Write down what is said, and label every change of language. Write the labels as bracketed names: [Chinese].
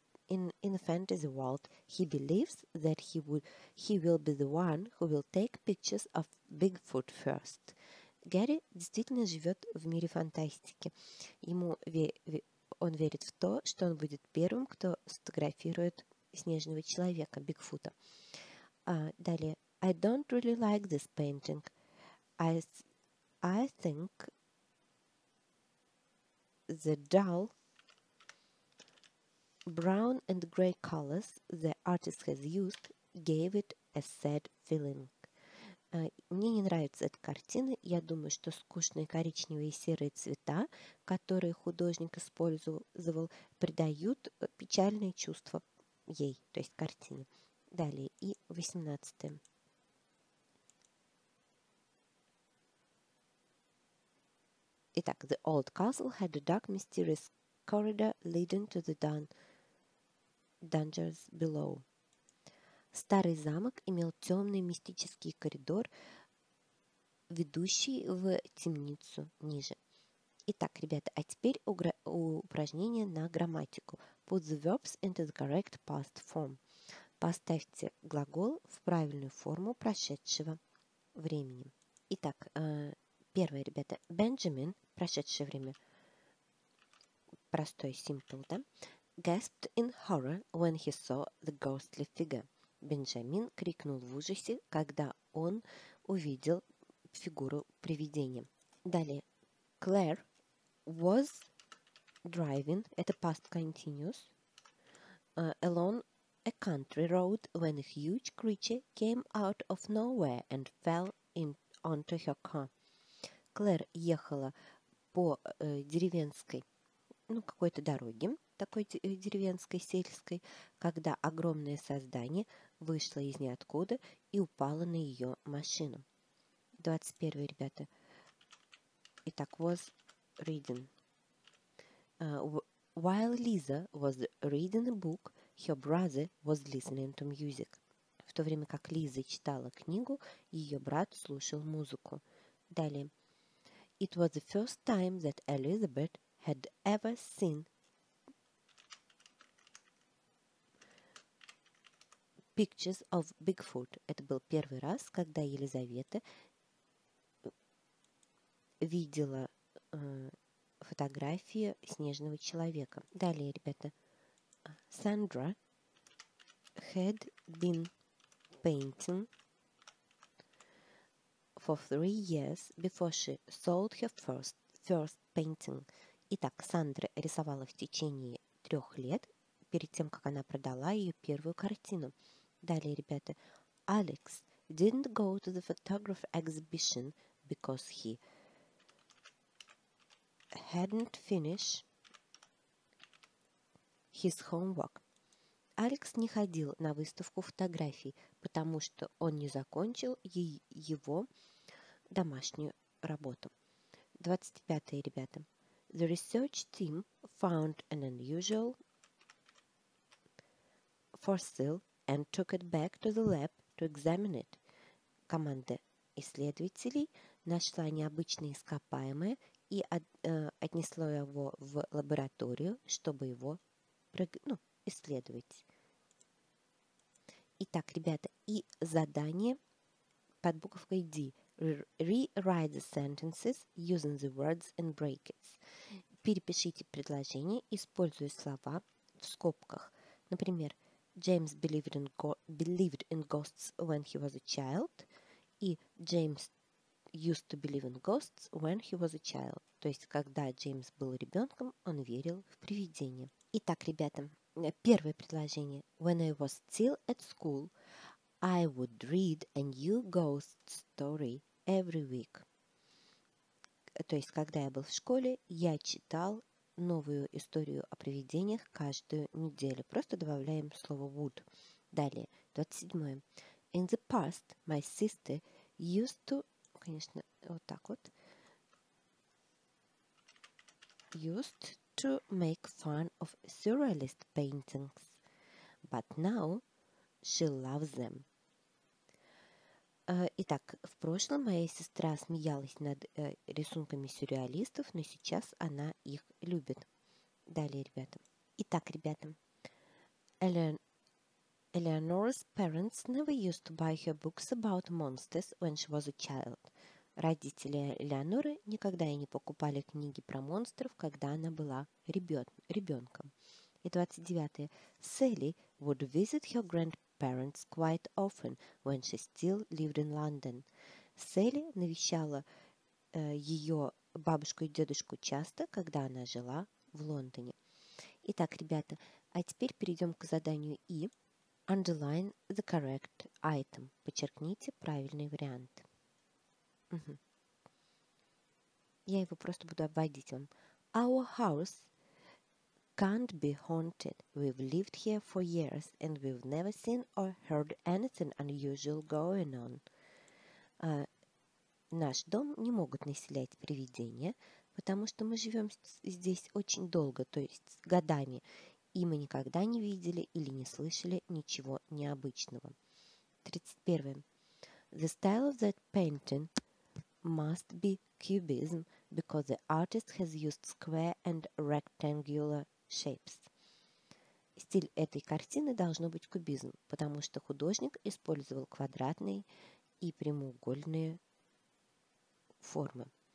[English] In a fantasy world, he believes that he will be the one who will take pictures of Bigfoot first. [Russian] Гарри действительно живет в мире фантастики. Он верит в то, что он будет первым, кто сфотографирует снежного человека, Бигфута. Далее. [English] I don't really like this painting. I think the dull brown and gray colors the artist has used gave it a sad feeling. [Russian] Мне не нравится эта картина. Я думаю, что скучные коричневые и серые цвета, которые художник использовал, придают печальные чувства ей, то есть картине. Далее, и 18-е. Итак, [English] the old castle had a dark, mysterious corridor leading to the dungeons below. [Russian] Старый замок имел темный мистический коридор, ведущий в темницу ниже. Итак, ребята, а теперь упражнение на грамматику. [English] Put the verbs into the correct past form. [Russian] Поставьте глагол в правильную форму прошедшего времени. Итак, первое, ребята, Benjamin, прошедшее время, простой, simple, да? [English] Gasped in horror when he saw the ghostly figure. [Russian] Бенджамин крикнул в ужасе, когда он увидел фигуру привидения. Далее. [English] Claire was driving, [Russian] это [English] past continuous, along a country road when a huge creature came out of nowhere and fell onto her car. [Russian] Claire ехала по деревенской, ну, какой-то дороге, такой деревенской, сельской, когда огромное создание вышло из ниоткуда и упало на ее машину. 21-е, ребята. Итак, [English] was reading. While Lisa was reading a book, her brother was listening to music. [Russian] В то время как Лиза читала книгу, ее брат слушал музыку. Далее. [English] It was the first time that Elizabeth had ever seen pictures of Bigfoot. [Russian] Это был первый раз, когда Елизавета видела фотографии снежного человека. Далее, ребята. [English] Sandra had been painting for 3 years before she sold her first painting. [Russian] Итак, Сандра рисовала в течение 3 лет перед тем, как она продала ее первую картину. Далее, ребята. [English] Alex didn't go to the photography exhibition because he hadn't finished his homework. [Russian] Алекс не ходил на выставку фотографий, потому что он не закончил его домашнюю работу. 25-е, ребята. [English] The research team found an unusual fossil and took it back to the lab to examine it. [Russian] Команда исследователей нашла необычное ископаемое и отнесла его в лабораторию, чтобы его исследовать. Итак, ребята, и задание под буковкой D. [English] Rewrite the sentences using the words and brackets. [Russian] Перепишите предложение, используя слова в скобках. Например, [English] James believed in ghosts when he was a child. [Russian] И [English] James used to believe in ghosts when he was a child. [Russian] То есть, когда Джеймс был ребенком, он верил в привидения. Итак, ребята, первое предложение. [English] When I was still at school, I would read a new ghost story every week. [Russian] То есть, когда я был в школе, я читал новую историю о привидениях каждую неделю. Просто добавляем слово would. Далее, 27. [English] In the past, my sister used to... [Russian] Конечно, вот так вот. [English] Used to make fun of surrealist paintings, but now she loves them. [Russian] Итак, в прошлом моя сестра смеялась над рисунками сюрреалистов, но сейчас она их любит. Далее, ребята. Итак, ребята. [English] Eleanor's parents never used to buy her books about monsters when she was a child. [Russian] Родители Элеоноры никогда и не покупали книги про монстров, когда она была ребенком. И 29. [English] Sally would visit her grandparents quite often when she still lived in London. [Russian] Sally навещала ее бабушку и дедушку часто, когда она жила в Лондоне. Итак, ребята, а теперь перейдем к заданию И. [English] Underline the correct item. [Russian] Подчеркните правильный вариант. Я его просто буду обводить вам. [English] Our house can't be haunted. We've lived here for years and we've never seen or heard anything unusual going on. [Russian] Наш дом не могут населять привидения, потому что мы живем здесь очень долго, то есть годами, и мы никогда не видели или не слышали ничего необычного. 31. [English] The style of that painting must be cubism, because the artist has used square and rectangular shapes. [Russian] Стиль этой картины должно быть кубизм, потому что художник использовал квадратные и прямоугольные формы.